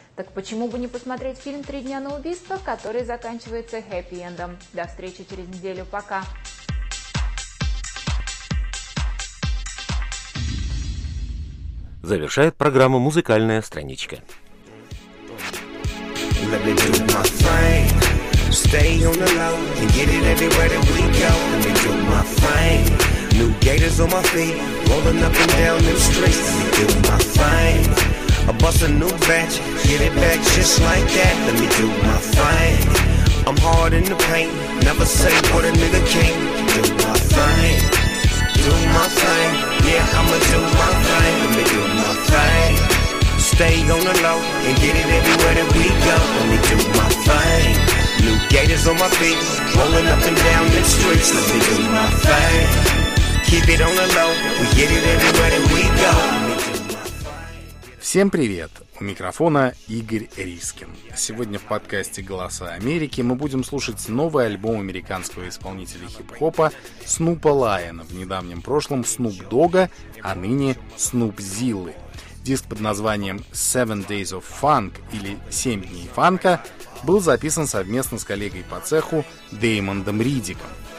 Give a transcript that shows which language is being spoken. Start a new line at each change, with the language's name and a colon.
Russian: Так почему бы не посмотреть фильм «Три дня на убийство», который заканчивается хэппи-эндом? До встречи через неделю. Пока! Завершает программу «Музыкальная страничка».
English: Let me be with my thing. Stay on the low and get it everywhere that we go. Let me do my thing. New gators on my feet, rolling up and down them streets. Let me do my thing. I bust a new batch, get it back just like that. Let me do my thing. I'm hard in the paint, never say what a nigga can't. Do my thing. Do my thing. Yeah, I'ma do my thing. Let me do my thing. Stay on the low and get it everywhere that we go. Let me do my thing. New gators on my feet, rolling up and down the streets. Let me do my thing. Keep it on the low, we get it everywhere that we go.
Russian: Всем привет! У микрофона Игорь Рискин. Сегодня в подкасте «Голоса Америки» мы будем слушать новый альбом американского исполнителя хип-хопа Снупа Лайона, в недавнем прошлом Снуп Дога, а ныне Снуп Зиллы. Диск под названием «Seven Days of Funk» или «Семь дней фанка» был записан совместно с коллегой по цеху Дэймондом Ридиком.